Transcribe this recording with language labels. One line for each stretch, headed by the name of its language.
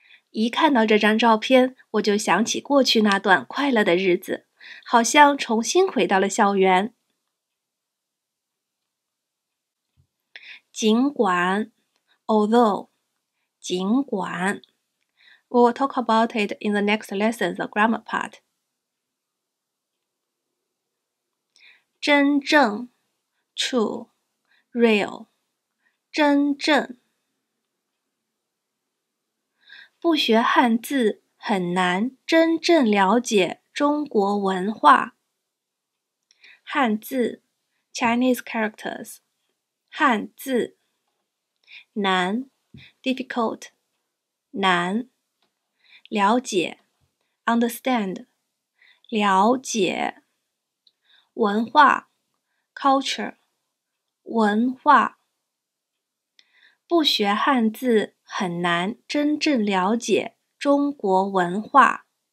Chinese: 一看到这张照片，我就想起过去那段快乐的日子，好像重新回到了校园。尽管 ,
English: although,
Chinese: 尽管。
English: We'll talk about it in the next lesson, the grammar part.
Chinese: 真正
English: ,true, real.
Chinese: 真正。不学汉字很难真正了解中国文化。汉字 ,
English: Chinese characters,
Chinese: 汉字。难 ,
English: difficult,
Chinese: 难。了解 ,
English: understand,
Chinese: 了解。文化 ,
English: culture,
Chinese: 文化。不学汉字很难真正了解中国文化。